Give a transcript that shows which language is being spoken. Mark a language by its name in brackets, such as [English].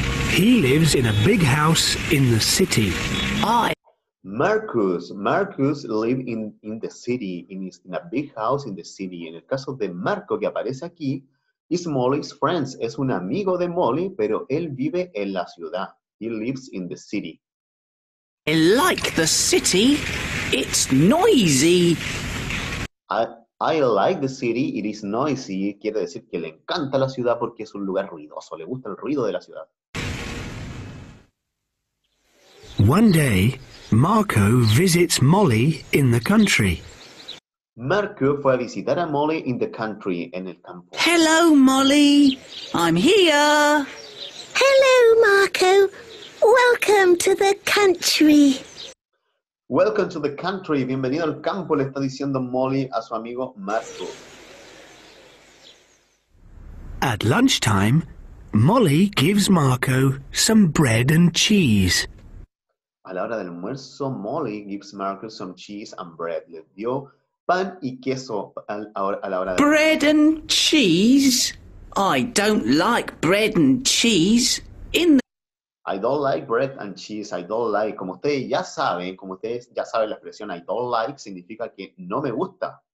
[English] He lives in a big house in the city. Marcus live in the city, in a big house in the city. [Spanish] En el caso de Marco, que aparece aquí, [English] is Molly's friends. [Spanish] Es un amigo de Molly, pero él vive en la ciudad. [English] He lives in the city. I like the city. It's noisy. I like the city. It is noisy. [Spanish] Quiere decir que le encanta la ciudad porque es un lugar ruidoso. Le gusta el ruido de la ciudad. [English] One day, Marco visits Molly in the country. [Spanish] Marco fue a visitar a Molly [English] in the country, [Spanish] en el campo. [English] Hello, Molly. I'm here. Hello, Marco. Welcome to the country. Welcome to the country. [Spanish] Bienvenido al campo, le está diciendo Molly a su amigo Marco. [English] At lunchtime, Molly gives Marco some bread and cheese. [Spanish] A la hora del almuerzo, [English] Molly gives Marco some cheese and bread. [Spanish] Le dio pan y queso a la hora del [English] bread and cheese? I don't like bread and cheese. I don't like bread and cheese. I don't like. [Spanish] Como ustedes ya saben, la expresión [English] I don't like [Spanish] significa que no me gusta.